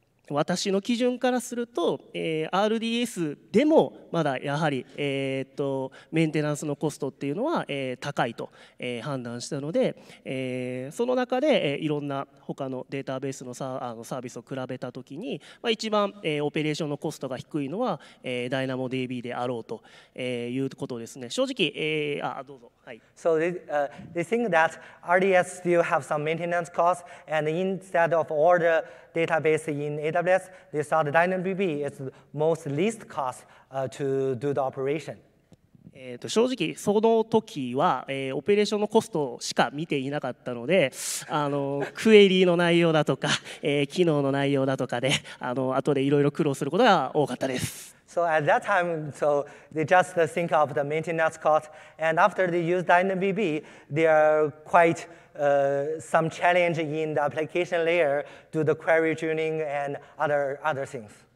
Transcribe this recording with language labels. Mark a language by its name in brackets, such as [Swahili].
[Japanese] 私の基準からすると、RDS でもまだやはり、メンテナンスのコストっていうのは、高いと、判断したので、その中で、いろんな他のデータベースの サービスを比べたときに、まあ、一番、オペレーションのコストが低いのは、DynamoDB であろうと、いうことですね。正直、どうぞ。はい。 [English] So they think that RDS still have some maintenance costs and instead of all theDatabase in AWS, they saw the DynamoDB is most least cost to do the operation. [Japanese] 正直その時は、オペレーションのコストしか見ていなかったので、クエリーの内容だとか、機能の内容だとかで、後でいろいろ苦労することが多かったです。 [English] So at that time, so they just think of the maintenance cost, and after they use DynamoDB, they are quite some challenge in the application layer, do the query tuning and other things.